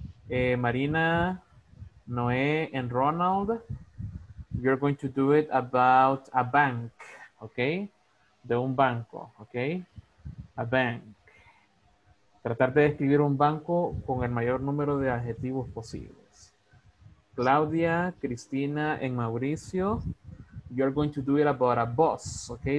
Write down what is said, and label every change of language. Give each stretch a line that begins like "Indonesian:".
English: Marina, Noé, and Ronald, you're going to do it about a bank, okay?
Spanish: De un banco, okay? A bank. Tratar de describir un banco con el mayor número de adjetivos posibles.
English: Claudia, Cristina, and Mauricio, you're going to do it about a boss, okay?